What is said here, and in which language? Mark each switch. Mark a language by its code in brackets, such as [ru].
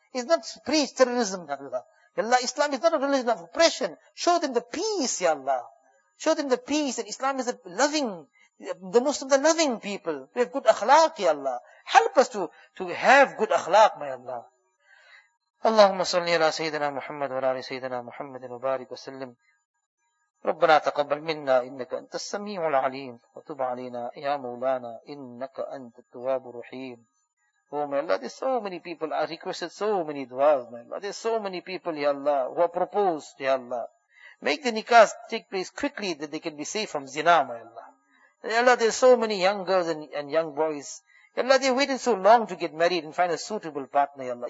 [en] It's not preach terrorism, Ya Allah. Ya Allah, Islam is not a religion of oppression. Show them the peace, Ya Allah. Show them the peace that Islam is a loving, the Muslims are loving people. We have good akhlaq, Ya Allah. Help us to have good akhlaq, my Allah. [ar] اللهم صل على سيدنا محمد وعلى آل سيدنا محمد وبارك وسلم ربنا تقبل منا إنك أنت السميع العليم وتب علينا يا مولانا إنك أنت التواب الرحيم. [en] Oh my Allah, there's so many people I requested so many du'as, my Allah. There's so many people, Ya Allah, who are proposed, Ya Allah. Make the nikahs take place quickly that they can be safe from zina, my Allah. Ya Allah, there's so many young girls and young boys. Ya Allah, they waited so long to get married and find a suitable partner, Ya Allah.